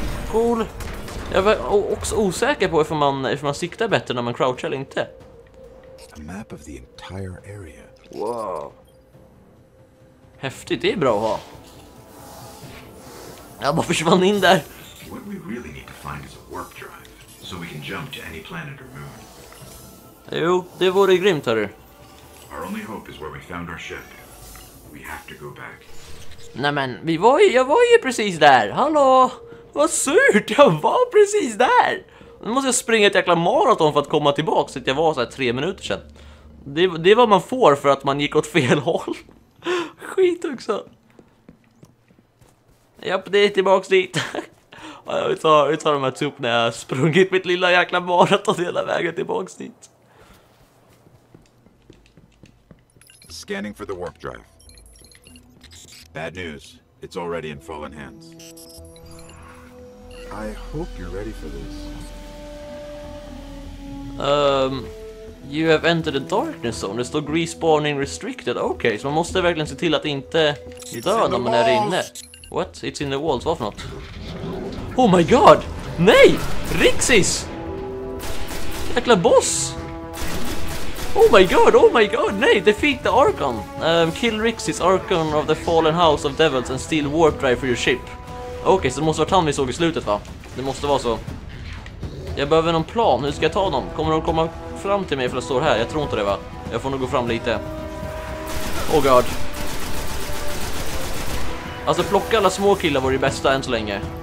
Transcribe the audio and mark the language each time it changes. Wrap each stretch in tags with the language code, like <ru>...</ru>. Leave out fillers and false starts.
<sv>Cool! Jag var också osäker på om man siktar bättre när man crouchar eller inte.</sv> <en>A map of the entire area. Wow.</en> <sv>Häftigt, det är bra att ha. Jag bara försvann in där.</sv> <en>What we really need to find is a warp drive, so we can jump to any planet or moon.</en> <sv>Jo, det vore grymt, hörru.</sv> <en>Our only hope is where we found our ship. We have to go back.</en> <sv>Nej men, jag var ju precis där. Hallå. Vad surt, jag var precis där. Nu måste jag springa ett jäkla maraton för att komma tillbaka, så att jag var så här 3 minuter sedan. Det är vad man får för att man gick åt fel håll. Skit också. Japp, det är tillbaka dit. Ja, vi tar de här typ när jag sprungit mitt lilla jäkla maraton hela vägen tillbaka dit.</sv> <en>Scanning for the warp drive. Bad news. It's already in fallen hands. I hope you're ready for this. You have entered the darkness zone.</en> <sv>Det står</sv> <en>respawning restricted.</en> <sv>Okay, så man måste verkligen se till att inte dö när man är inne.</sv> <en>What? It's in the walls.</en> <sv>Vad för något?</sv> <en>Oh my god! Nej! Rixis!</en> <sv>Jäkla boss!</sv> <en>Oh my god, nej, defeat the Archon! Kill Rixis, Archon of the Fallen House of Devils and steal warp drive for your ship.</en> <sv>Okej, så det måste vara han vi såg i slutet, va? Det måste vara så. Jag behöver någon plan, hur ska jag ta dem? Kommer de komma fram till mig för att stå här? Jag tror inte det, va? Jag får nog gå fram lite.</sv> <en>Oh god.</en> <sv>Alltså, plocka alla små killar var det bästa än så länge.</sv>